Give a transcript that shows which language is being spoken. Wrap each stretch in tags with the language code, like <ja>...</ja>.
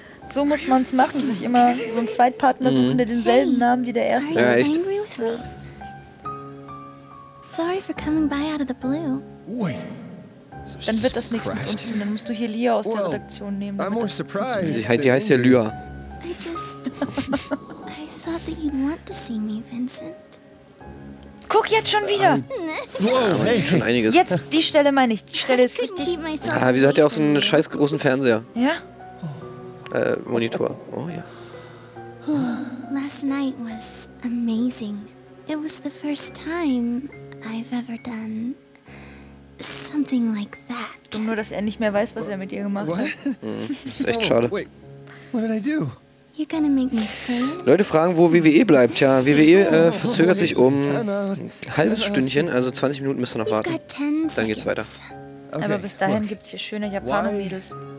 <de>So muss man es machen, sich immer so einen Zweitpartner suchen, der denselben Namen wie der erste. Ja, echt.</de> <en>Sorry for coming by out of the blue. Wait.</en> <de>Dann wird das nichts mit uns tun. Dann musst du hier Lia aus der Redaktion nehmen.</de> <en>I'm more surprised.</en> <de>Die heißt ja Lya.</de> <en>I thought that you'd want to see me, Vincent.</en> <de>Guck jetzt schon wieder! Schon einiges. Jetzt, die Stelle meine ich. Die Stelle ist richtig. Ah, wieso hat der auch so einen scheiß großen Fernseher? Ja? Monitor. Oh ja.</de> <en>Last night was amazing. It was the first time I've ever done something like that.</en> <de>Dumm nur, dass er nicht mehr weiß, was er mit ihr gemacht hat. Das ist echt schade.</de> <en>Wait, what did I do? You're gonna make me sick?</en> <de>Leute fragen, wo WWE bleibt. Tja, WWE verzögert sich um ein halbes Stündchen, also 20 Minuten müsst ihr noch warten. Dann geht's weiter. Okay, aber bis dahin gibt es hier schöne Japaner-Mädels.</de>